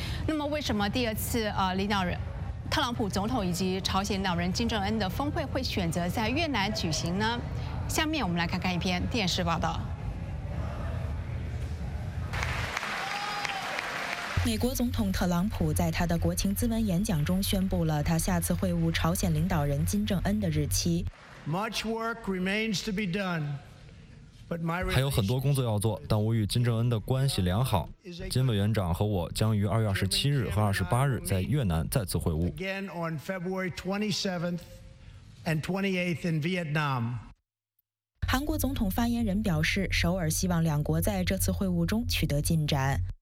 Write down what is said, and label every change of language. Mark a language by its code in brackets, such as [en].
[zh] 那么为什么第二次领导人特朗普总统以及朝鲜领导人金正恩的峰会会选择在越南举行呢？下面我们来看看一篇电视报道。美国总统特朗普在他的国情咨文演讲中宣布了他下次会晤朝鲜领导人金正恩的日期。 [en] Much work remains to be done, but my [zh] 还有很多工作要做，但我与金正恩的关系良好。金委员长和我将于2月27日和28日在越南再次会晤。 [en] Again on February 27th and 28th in Vietnam. [zh] 韩国总统发言人表示，首尔希望两国在这次会晤中取得进展。